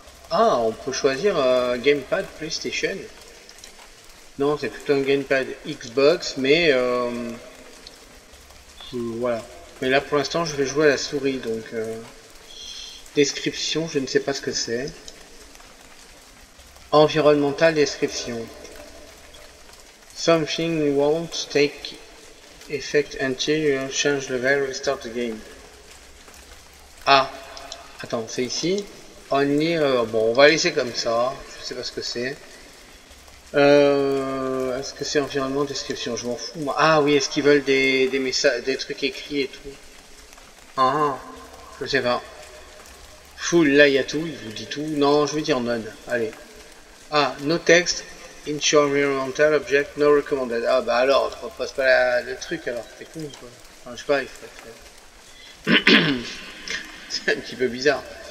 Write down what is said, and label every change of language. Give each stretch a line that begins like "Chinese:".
French: Ah, on peut choisir Gamepad PlayStation. Non, c'est plutôt un Gamepad Xbox, mais voilà. Mais là pour l'instant je vais jouer à la souris donc description, je ne sais pas ce que c'est.
English: Environnemental description. Something won't take effect until you change level, restart the game.
French: Ah, attends, c'est ici. Only, bon, on va laisser comme ça. Je sais pas ce que c'est. Est-ce que c'est environnement description? Je m'en fous, moi. Ah oui, est-ce qu'ils veulent des messages, des trucs écrits et tout? Ah, je sais pas. Full, là il y a tout, il vous dit tout. Non, je vais dire none. Allez.
English: Ah, no text, environmental object, no recommended.
French: Ah, bah alors, je propose pas le truc alors, t'es con quoi. Enfin, je sais pas, il faut être. C'est un petit peu bizarre.